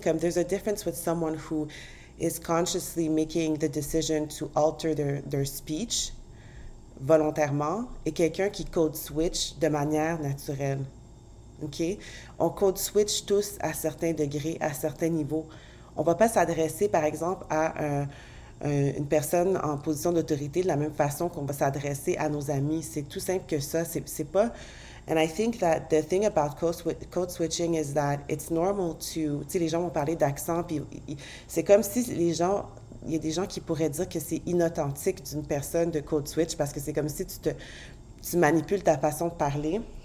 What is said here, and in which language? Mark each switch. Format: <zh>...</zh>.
<en>Comme there's a difference with someone who. Is consciously making the decision to alter their speech</en> <fr>volontairement et quelqu'un qui code switch de manière naturelle.</fr> <en>OK?</en> <fr>On code switch tous à certains degrés, à certains niveaux. On ne va pas s'adresser, par exemple, à une personne en position d'autorité de la même façon qu'on va s'adresser à nos amis. C'est tout simple que ça. C'est pas.</fr> <en>And I think that the thing about code switching is that it's normal to...</en> <fr>Tu sais, les gens vont parler d'accent, puis c'est comme si les gens... Il y a des gens qui pourraient dire que c'est inauthentique d'une personne de code switch, parce que c'est comme si tu manipules ta façon de parler.</fr>